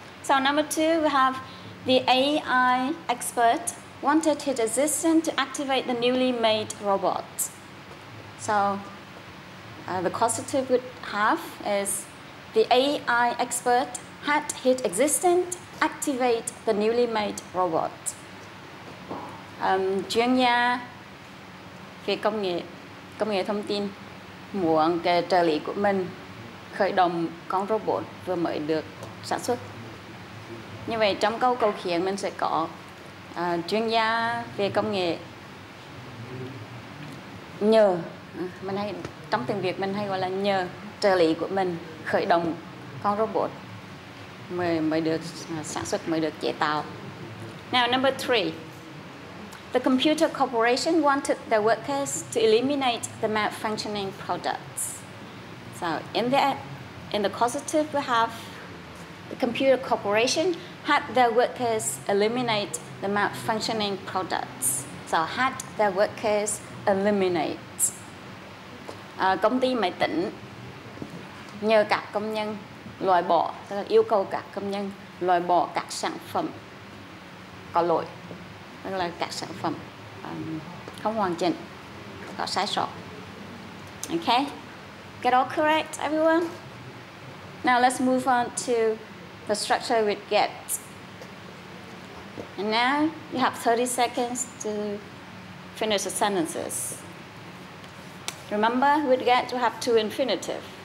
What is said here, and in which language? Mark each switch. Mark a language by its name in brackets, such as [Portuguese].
[English] So number two, we have the AI expert wanted his assistant to activate the newly made robot. So the causative we have is the AI expert had his assistant activate the newly made robot. [Vietnamese] Chuyên gia về công nghệ thông tin muốn cái trợ lý của mình khởi động con robot vừa mới được sản xuất. Như vậy trong câu khiển mình sẽ có chuyên gia về công nghệ nhờ, mình hay trong tiếng Việt mình hay gọi là nhờ trợ lý của mình khởi động con robot mới được sản xuất, mới được chế tạo. [English] Now number three, the computer corporation wanted their workers to eliminate the malfunctioning products. So in the causative we have the computer corporation had their workers eliminate the malfunctioning products. So had their workers eliminate. [Vietnamese] Công ty máy tính nhờ các công nhân loại bỏ, tức là yêu cầu các công nhân loại bỏ các sản phẩm có lỗi, tức là các sản phẩm không hoàn chỉnh, có sai sót. [English] Okay, get all correct, everyone. Now let's move on to the structure we get. And now you have 30 seconds to finish the sentences. Remember, we'd get to have two infinitive.